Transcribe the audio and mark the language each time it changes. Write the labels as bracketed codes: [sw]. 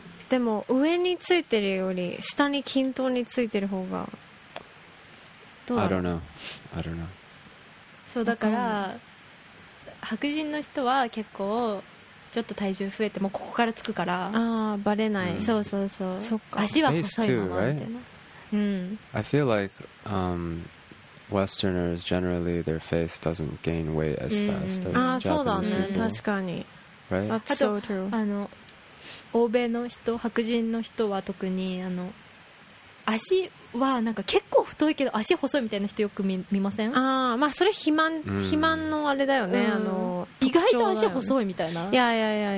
[ja] でも上についてるより下に均等についてる方がどうだろう。 [en] I don't know. I don't know. [ja] そうだから白人の人は結構ちょっと体重増えてもここからつくから、あ、バレない、うん、そうそうそう、そっか、足は細いままみたいな、 [en] right? [ja] うん、 [en] I feel like、Westerners generally their face doesn't gain weight as fast、うん、as Japanese people、 [ja] ね、確かに、 [en] right? That's so true. [ja] あの欧米の人、白人の人は特にあの足はなんか結構太いけど足細いみたいな人よく 見ません？ああ、まあそれ肥満のあれだよね、うん、あの意外と足細いみたいな、いやいやいや、